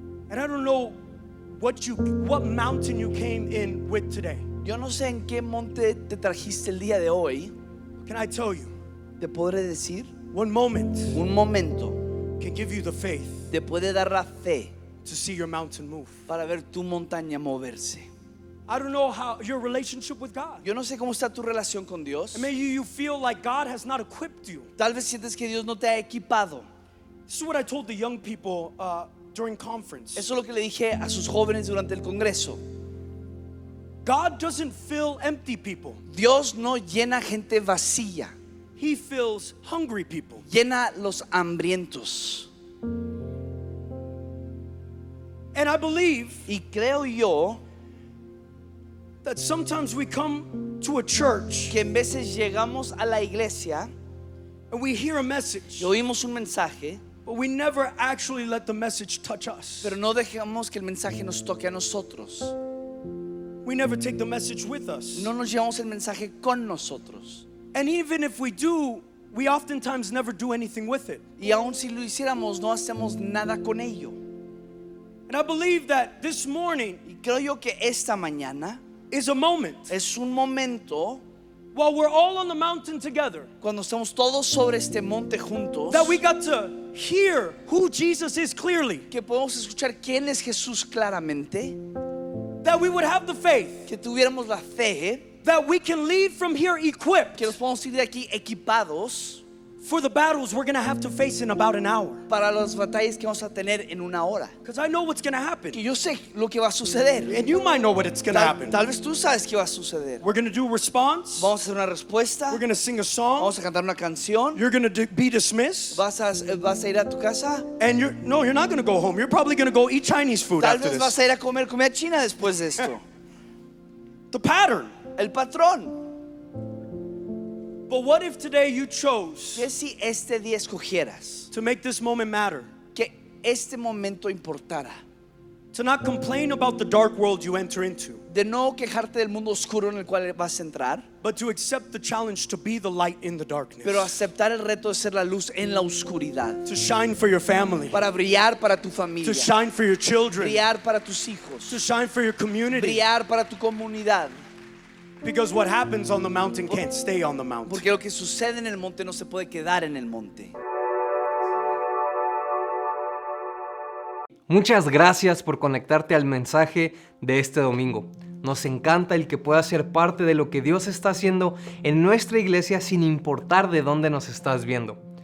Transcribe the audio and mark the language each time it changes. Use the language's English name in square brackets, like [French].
[English] and I don't know what mountain you came in with today. [Spanish] Yo no sé en qué monte te trajiste el día de hoy. [English] Can I tell you? [Spanish] Te podré decir. [English] One moment. [Spanish] Un momento. [English] Can give you the faith. [Spanish] Te puede dar la fe. [English] To see your mountain move. [Spanish] Para ver tu montaña moverse. [English] I don't know how your relationship with God. [Spanish] Yo no sé cómo está tu relación con Dios. [English] And maybe you feel like God has not equipped you. [Spanish] Tal vez sientes que Dios no te ha equipado. [English] This is what I told the young people during conference. [Spanish] Eso es lo que le dije a sus jóvenes durante el congreso. [English] God doesn't fill empty people. [Spanish] Dios no llena gente vacía. [English] He fills hungry people. [Spanish] Llena los hambrientos. [English] And I believe. [Spanish] Y creo yo. [English] That sometimes we come to a church. [Spanish] Que en veces llegamos a la iglesia. [English] And we hear a message. [Spanish] Y oímos un mensaje. [English] But we never actually let the message touch us. [Spanish] Pero no dejamos que el mensaje nos toque a nosotros. [English] We never take the message with us. [Spanish] No nos llevamos el mensaje con nosotros. [English] And even if we do, we oftentimes never do anything with it. [Spanish] Y aun si lo hiciéramos, no hacemos nada con ello. [English] And I believe that this morning, [Spanish] y creo yo que esta mañana, [English] is a moment. [Spanish] Es un momento. [English] While we're all on the mountain together, [Spanish] cuando estamos todos sobre este monte juntos, [English] that we got to hear who Jesus is clearly. [Spanish] Que podemos escuchar quién es Jesús claramente. [English] That we would have the faith. [Spanish] Que tuviéramos la fe. [English] That we can leave from here equipped. [Spanish] Que nos podemos ir de aquí equipados. [English] For the battles we're going to have to face in about an hour. [Spanish] Para las batallas que vamos a tener en una hora. [English] Because I know what's going to happen. [Spanish] Que yo sé lo que va a suceder. [English] And you might know what it's going to happen. [Spanish] Tal vez tú sabes qué va a suceder. [English] We're going to do a response. [Spanish] Vamos a hacer una respuesta. [English] We're going to sing a song. [Spanish] Vamos a cantar una canción. [English] You're going to be dismissed. [Spanish] Vas a ir a tu casa. [English] And you're not going to go home. You're probably going to go eat Chinese food [Spanish] Tal [English] after this. [Spanish] Tal vez vas a ir a comer comida china después de esto. [English] The pattern. [Spanish] El patrón. [English] But what if today you chose? [Spanish] ¿Qué si este día escogieras? [English] To make this moment matter. [Spanish] Que este momento importara. [English] To not complain about the dark world you enter into. [Spanish] De no quejarte del mundo oscuro en el cual vas a entrar. [English] But to accept the challenge to be the light in the darkness. [Spanish] Pero aceptar el reto de ser la luz en la oscuridad. [English] To shine for your family. [Spanish] Para brillar para tu familia. [English] To shine for your children. [Spanish] Brillar para tus hijos. [English] To shine for your community. [Spanish] Brillar para tu comunidad. [English] Because what happens on the mountain can't stay on the mountain. [Spanish] Porque lo que sucede en el monte no se puede quedar en el monte. Muchas gracias por conectarte al mensaje de este domingo. Nos encanta el que puedas ser parte de lo que Dios está haciendo en nuestra iglesia sin importar de dónde nos estás viendo.